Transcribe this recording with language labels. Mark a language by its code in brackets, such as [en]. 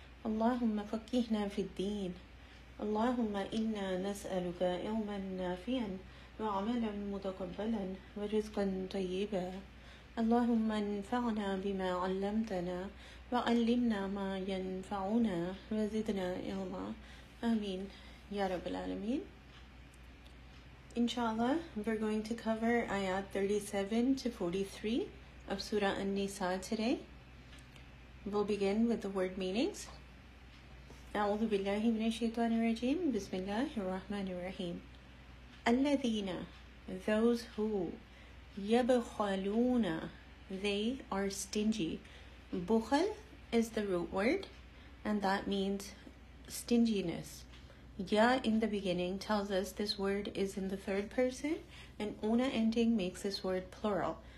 [ar] اللهم فقهنا في الدين. اللهم إنا نسألك علما نافعا وعملا متقبلا ورزقا طيبا. اللهم انفعنا بما علمتنا وعلمنا ما ينفعنا وزدنا علما. آمين يا رب العالمين. [en] Inshallah, we're going to cover ayat 37 to 43 of Surah An-Nisa today. We'll begin with the word meanings. [ar] أعوذ بالله من الشيطان الرجيم. بسم الله الرحمن الرحيم. الذين, [en] those who, [ar] يبخلون, [en] they are stingy. بخل is the root word, and that means stinginess. Ya in the beginning tells us this word is in the third person, and una ending makes this word plural.